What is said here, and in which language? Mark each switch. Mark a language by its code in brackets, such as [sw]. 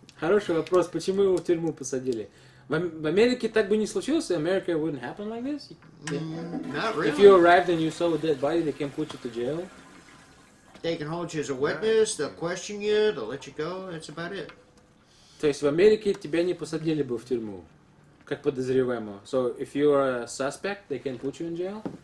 [ru] Хороший вопрос, почему его в тюрьму посадили? В Америке так бы не случилось, [en] America wouldn't happen like this? Not really. If you arrived and you saw a dead body, they can put you to jail? They can hold you as a witness, they'll question you, they'll let you go, that's about it. [ru] То есть в Америке тебя не посадили бы в тюрьму, как подозреваемого. [en] So if you are a suspect, they can put you in jail?